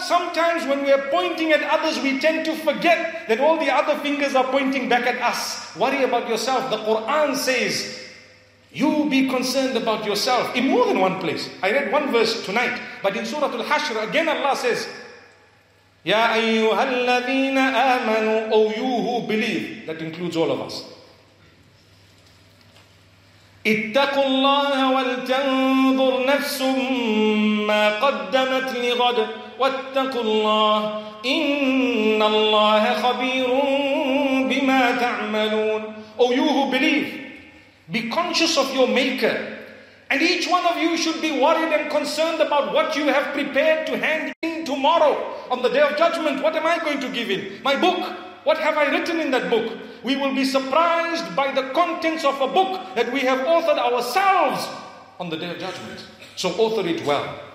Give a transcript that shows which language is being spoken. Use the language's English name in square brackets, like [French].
[English] Sometimes when we're pointing at others, we tend to forget that all the other fingers are pointing back at us. Worry about yourself. The Quran says, you be concerned about yourself in more than one place. I read one verse tonight, but in Surah Al-Hashr, again Allah says, [Arabic] Ya ayyuhalladhina amanu, [English] O you who believe. That includes all of us. [Arabic] اتقوا الله ولتنظر نفس ما قدمت لغد واتقوا الله إن الله خبير بما تعملون. [English] O you who believe, be conscious of your maker, and each one of you should be worried and concerned about what you have prepared to hand in tomorrow on the day of judgment. What am I going to give in? My book. What have I written in that book? We will be surprised by the contents of a book that we have authored ourselves on the day of judgment. So author it well.